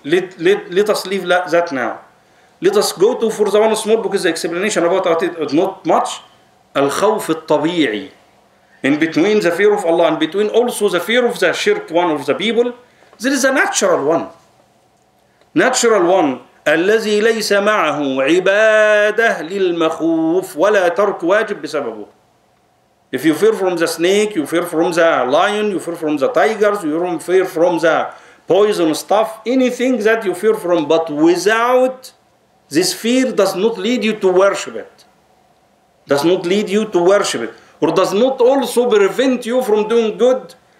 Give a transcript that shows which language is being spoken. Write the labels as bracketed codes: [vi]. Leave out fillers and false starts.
[en] Let us leave that now. Let us go to for the one small, because the explanation about it is not much. Al-khawf al-tabi'i, in between the fear of Allah and between also the fear of the shirk one of the people, there is a natural one. Natural one. [ar] الذي ليس معه عبادة للمخوف ولا ترك واجب بسببه. [en] If you fear from the snake, you fear from the lion, you fear from the tigers, you fear from the poison stuff, anything that you fear from, but without this fear does not lead you to worship it. Does not lead you to worship it. Or does not also prevent you from doing good.